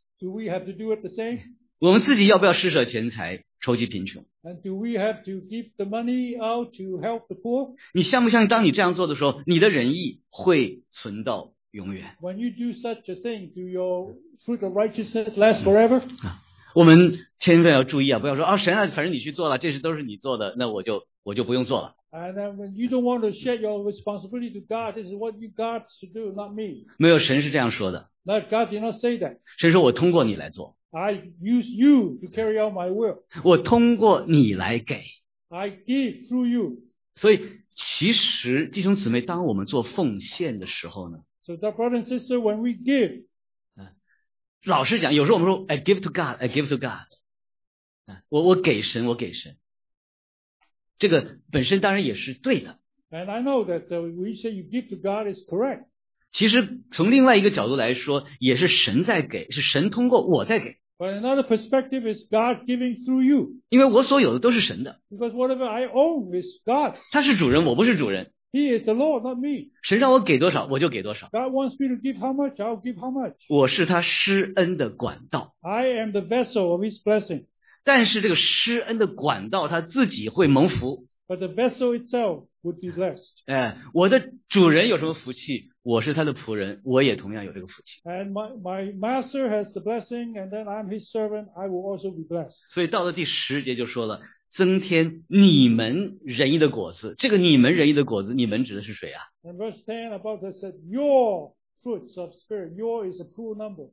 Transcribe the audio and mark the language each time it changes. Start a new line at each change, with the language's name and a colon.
English: Do we have to do it the same?
Chinese: 我们自己要不要施舍钱财筹集贫穷？
English: And do we have to give the money out to help the poor?
Chinese: 你相不相信当你这样做的时候，你的仁义会存到永远？
English: When you do such a thing, do your fruit of righteousness last forever?
Chinese: 我们千万要注意啊，不要说啊，神啊，反正你去做了，这事都是你做的，那我就不用做了。
English: And then when you don't want to share your responsibility to God, this is what you got to do, not me.
Chinese: 没有，神是这样说的。
English: No, God did not say that.
Chinese: 神说我通过你来做。
English: I use you to carry out my will.
Chinese: 我通过你来给。
English: I give through you.
Chinese: 所以其实弟兄姊妹，当我们做奉献的时候呢
English: ？So, brother and sister, when we give,
Chinese: 老实讲，有时候我们说
English: I give to God, I give to God.
Chinese: 我给神，我给神。这个本身当然也是对的。
English: And I know that when you say you give to God is correct.
Chinese: 其实从另外一个角度来说，也是神在给，是神通过我在给。
English: But another perspective is God giving through you.
Chinese: 因为我所有的都是神的。
English: Because whatever I own is God.
Chinese: 他是主人，我不是主人。
English: He is the Lord, not me.
Chinese: 神让我给多少，我就给多少。
English: God wants me to give how much, I'll give how much.
Chinese: 我是他施恩的管道。
English: I am the vessel of his blessing.
Chinese: 但是这个施恩的管道他自己会蒙福。
English: But the vessel itself would be blessed.
Chinese: 我的主人有什么福气，我是他的仆人，我也同样有这个福气。
English: And my master has the blessing, and then I'm his servant, I will also be blessed.
Chinese: 所以到了第十节就说了，增添你们仁义的果子。这个你们仁义的果子，你们指的是谁啊？
English: And verse 10 about that said, your fruits of spirit, your is a plural number.